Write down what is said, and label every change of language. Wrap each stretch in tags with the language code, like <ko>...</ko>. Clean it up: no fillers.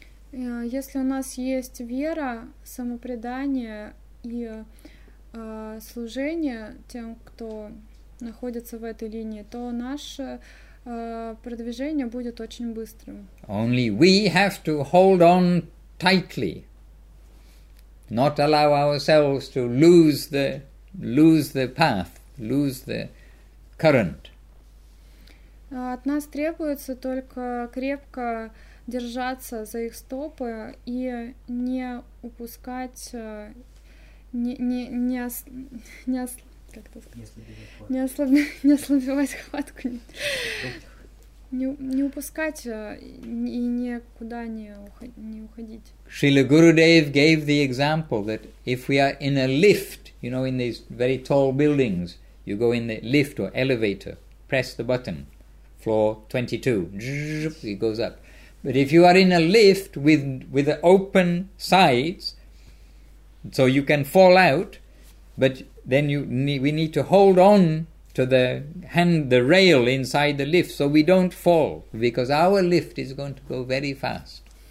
<ru>Если у нас есть вера, самопредание и служение тем, кто находится в этой линии, то наше продвижение будет очень быстрым.</ru> <en>Only we have to hold on tightly, not allow ourselves to lose the path, lose the current.</en> <ru>От нас требуется только крепко держаться за их стопы и не упускать не упускать и никуда не уходить.</ru> <en>Шрила Гурудев gave the example that if we are in a lift, you know, in these very tall buildings, you go in the lift or elevator, press the button, floor 22, it goes up. But if you are in a lift with the open sides, so you can fall out, but then we need to hold on to the rail inside the lift so we don't fall, because our lift is going to go very fast.</en>